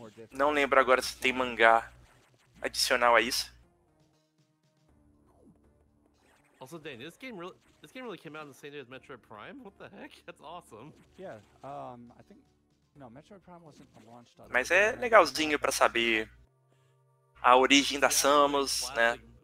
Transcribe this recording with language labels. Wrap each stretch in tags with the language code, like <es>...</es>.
<pt>Não lembro agora se tem mangá adicional a isso.</pt> <en>Also, Dan, this game really came out in the same day as Metroid Prime. What the heck? That's awesome. Yeah, I think no, Metroid Prime wasn't launched.</en> <pt>Mas é legalzinho pra saber a origem da Samus, né?</pt>